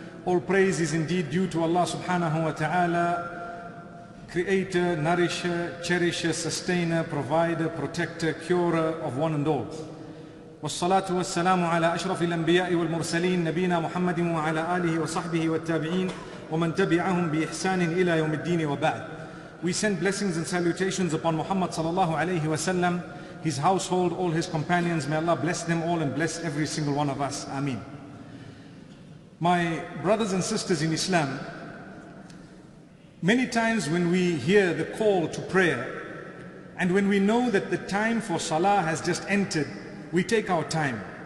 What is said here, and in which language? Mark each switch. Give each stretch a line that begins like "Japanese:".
English: All praise is indeed due to Allah subhanahu wa ta'ala, creator, nourisher, cherisher, sustainer, provider, protector, curer of one and all.
Arabic: والصلاة والسلام على أشرف الأنبياء والمرسلين نبينا محمد وعلى آله وصحبه والتابعين ومن تبعهم بإحسان إلى يوم الدين وبعد.
English: We send blessings and salutations upon Muhammad sallallahu alayhi wa sallam, his household, all his companions. May Allah bless them all and bless every single one of us. Ameen. My brothers and sisters in Islam, many times when we hear the call to prayer and when we know that the time for salah has just entered, we take our time.